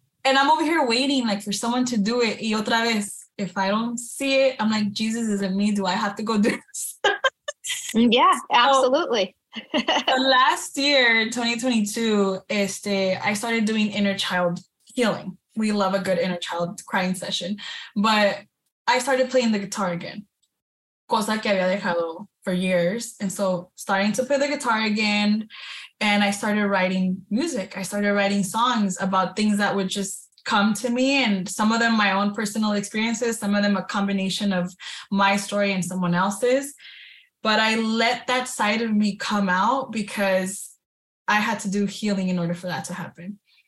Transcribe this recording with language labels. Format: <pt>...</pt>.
<en>And I'm over here waiting like for someone to do it.</en> <es>Y otra vez,</es> <en>if I don't see it, I'm like, Jesus, is it me? Do I have to go do this? Yeah, so, absolutely. Last year, 2022, I started doing inner child healing. We love a good inner child crying session. But I started playing the guitar again.</en> <es>Cosa que había dejado</es> <en>for years. And so starting to play the guitar again. And I started writing music. I started writing songs about things that would just come to me. And some of them, my own personal experiences, some of them a combination of my story and someone else's. But I let that side of me come out because I had to do healing in order for that to happen.</en>